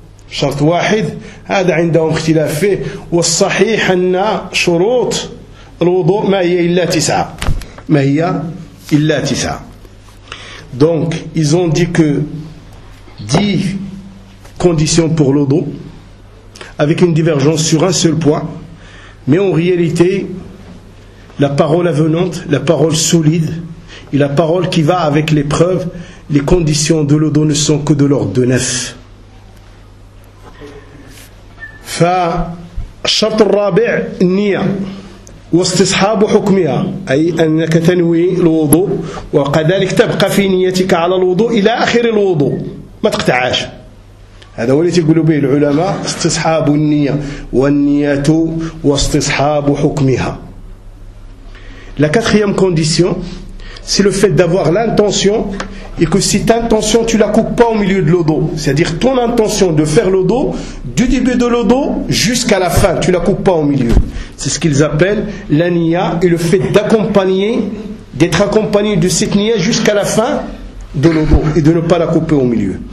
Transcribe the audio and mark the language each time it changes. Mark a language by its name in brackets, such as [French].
[Arabic] شرط واحد، هذا عندهم اختلاف فيه، والصحيح أن شروط الوضوء ما هي إلا 9، ما هي إلا 9. [French] Donc ils ont dit que 10 conditions pour l'wudu avec une divergence sur un seul point, mais en réalité la parole avenante, la parole solide et la parole qui va avec les preuves, les conditions de l'wudu ne sont que de l'ordre de 9. [Arabic] فالشرط الرابع النية واستصحاب حكمها، أي أنك تنوي الوضوء وكذلك تبقى في نيتك على الوضوء إلى آخر الوضوء، ما تقطعش. هذا هو اللي تقول به العلماء استصحاب النية، والنية واستصحاب حكمها. [French] La quatrième condition, c'est le fait d'avoir l'intention, et que cette intention tu la coupes pas au milieu de l'wudu, c'est-à-dire ton intention de faire l'wudu du début de l'wudu jusqu'à la fin, tu la coupes pas au milieu. C'est ce qu'ils appellent la niya, et le fait d'accompagner, d'être accompagné de cette niya jusqu'à la fin de l'wudu et de ne pas la couper au milieu.